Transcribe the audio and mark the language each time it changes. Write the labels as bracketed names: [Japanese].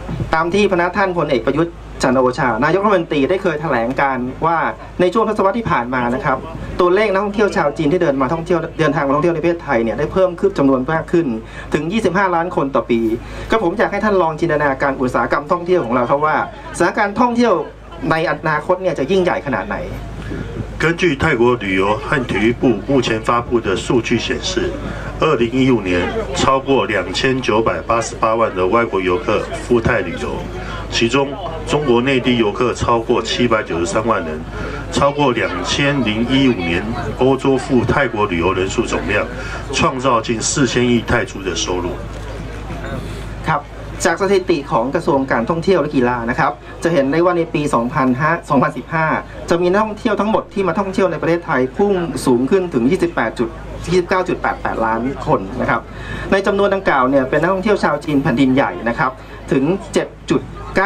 [Thai] ตามที่พนักท่านพลเอกประยุทธ์จันทร์โอชานายกรัฐมนตรีได้เคยแถลงการว่าในช่วงทศวรรษที่ผ่านมานะครับตัวเลขนักท่องเที่ยวชาวจีนที่เดินทางมาท่องเที่ยวในประเทศไทยเนี่ยได้เพิ่มขึ้นจำนวนมากขึ้นถึง25 ล้านคนต่อปีก็ผมอยากให้ท่านลองจินตนาการอุตสาหกรรมท่องเที่ยวของเราครับว่าสถานการณ์ท่องเที่ยวในอนาคตเนี่ยจะยิ่งใหญ่ขนาดไหน [Chinese] 根据泰国旅游和体育部目前发布的数据显示2015年超过2988万的外国游客赴泰旅游其中中国内地游客超过793万人超过2015年欧洲赴泰国旅游人数总量创造近4000亿泰铢的收入 [Thai] ครับจากสถิติของกระทรวงการท่องเที่ยวและกีฬานะครับจะเห็นได้ว่าในปี2015จะมีนักท่องเที่ยวทั้งหมดที่มาท่องเที่ยวในประเทศไทยพุ่งสูงขึ้นถึง 29.88 ล้านคนนะครับในจำนวนดังกล่าวเนี่ยเป็นนักท่องเที่ยวชาวจีนแผ่นดินใหญ่นะครับถึง 7.